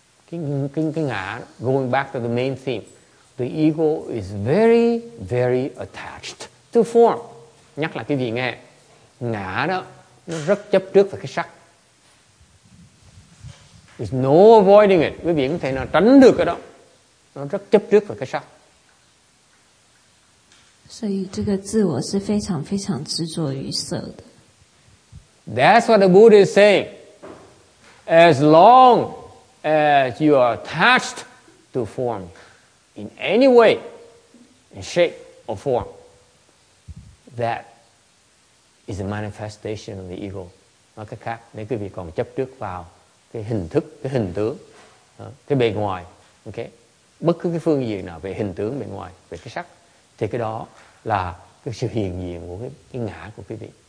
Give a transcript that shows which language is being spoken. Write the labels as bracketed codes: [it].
[vi] Cái ngã, [en] going back to the main theme. The ego is very, very attached to form. [vi] Nhắc là cái gì nghe? Ngã đó, nó rất chấp trước vào cái sắc. [en] There's no avoiding it. [vi] Quý vị có thể nào tránh được cái đó. Nó rất chấp trước vào cái sắc. [zh] 所以这个自我是非常执着于色的. [en] That's what the Buddha is saying. As long as you are attached to form in any way, in shape or form, that is a manifestation of the ego. [vi] Nói cách khác, nếu quý vị còn chấp trước vào cái hình thức, cái hình tướng, cái bề ngoài, okay, bất cứ cái phương diện nào về hình tướng, bề ngoài, về cái sắc, thì cái đó là cái sự hiện diện của cái ngã của quý vị.